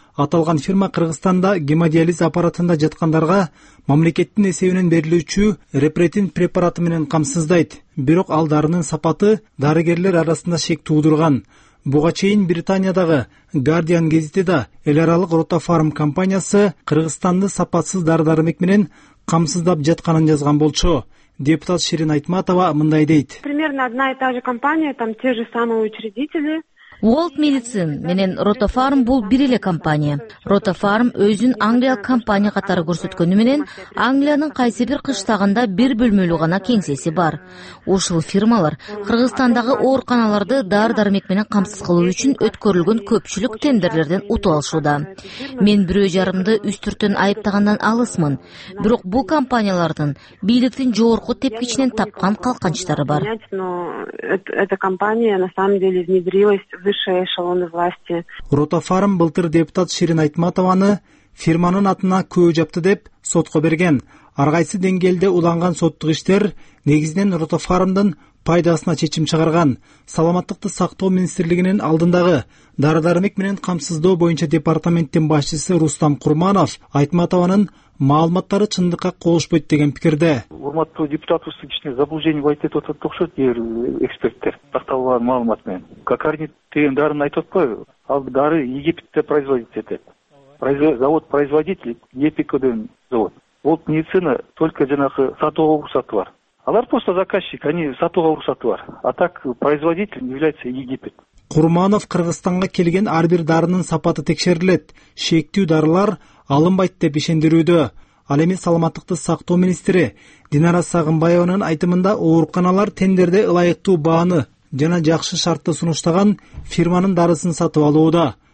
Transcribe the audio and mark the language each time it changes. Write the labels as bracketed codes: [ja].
[ky] Аталган фирма Кыргызстанда гемодиализ аппаратында жаткандарга мамлекеттин эсебинен берилүүчү репретин препараты менен камсыздайт. Бирок ал дарынын сапаты дарыгерлер арасында шек туудурган. Буга чейин Британиядагы Guardian гезити да эл аралык Рута Фарм компаниясы Кыргызстанды сапатсыз дары дармек менен камсыздап жатканын жазган болчу. Депутат Ширин Айтматова мындай дейт. [ru] Примерно одна и та же компания, там те же самые учредители. [ky] World Medicine менен Рота Фарм бул бир эле компания. Рота Фарм өзүн англиялык компания катары көрсөткөнү менен Англиянын кайсы бир кыштагында бир бөлмөлүү гана кеңсеси бар. Ушул фирмалар Кыргызстандагы ооруканаларды дары дармек менен камсыз кылуу үчүн өткөрүлгөн көпчүлүк тендерлерден утуп алышууда. Мен бирөө жарымды үстүртөн айыптагандан алысмын, бирок бул компаниялардын бийликтин жогорку тепкичинен тапкан калканчтары бар. [ru] Эта компания на самом деле внедрилась высшие эшелоны власти. [ky] Рота Фарм былтыр депутат Ширин Айтматованы фирманын атына күө жапты деп сотко берген. Ар кайсы деңгээлде уланган соттук иштер негизинен Рота Фармдын пайдасына чечим чыгарган. Саламаттыкты сактоо министрлигинин алдындагы дары дармек менен камсыздоо боюнча департаменттин башчысы Рустам Курманов Айтматованын маалыматтары чындыкка колушпойт деген пикирде. Урматтуу депутатыбыздын кичине заблуждение болот деп атат окшойт кээ бир эксперттер. Такталган маалымат менен кокарнит деген дарыны айтып атпайбы? Ал дары Египетте [ru] производится этот. Завод производитель Епикодын завод. Вот медицина только [ky] жанагы сатууга уруксаты бар. Алар [ru] просто заказчик, они [ky] сатууга уруксаты бар. [ru] А так производитель является Египет. [ky] Курманов Кыргызстанга келген ар бир дарынын сапаты текшерилет. Шектүү дарылар алынбайт деп ишендирүүдө. Ал эми саламаттыкты сактоо министри Динара Сагынбаеванын айтымында ооруканалар тендерде ылайыктуу бааны жана жакшы шартты сунуштаган фирманын дарысын сатып алууда.